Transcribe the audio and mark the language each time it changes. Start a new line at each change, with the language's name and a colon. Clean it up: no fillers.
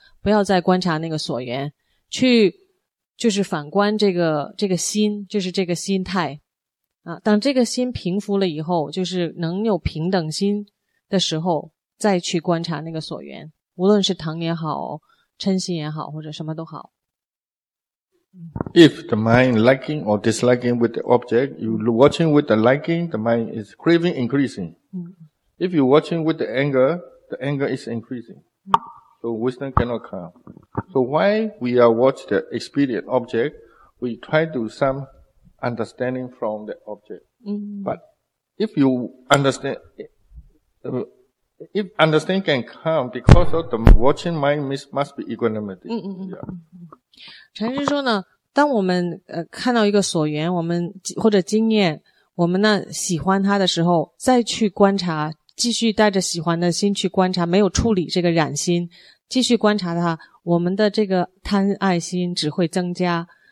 Chinese: 不要再观察那个所缘，去就是反观这个心，就是这个心态啊。当这个心平伏了以后，就是能有平等心的时候，再去观察那个所缘，无论是疼也好，嗔心也好，或者什么都好。
English: If the mind liking or disliking with the object, you watching with the liking, the mind is craving increasing. If you watching with the anger is increasing. So wisdom cannot come. So why we are watch the experience object, we try to some understanding from the object. But if you understand, if understanding can come because of the watching mind must be equanimity.
Chinese: 禅师说呢，当我们看到一个所缘，我们或者经验，我们呢喜欢它的时候，再去观察，继续带着喜欢的心去观察，没有处理这个染心。继续观察它，我们的这个贪爱心只会增加。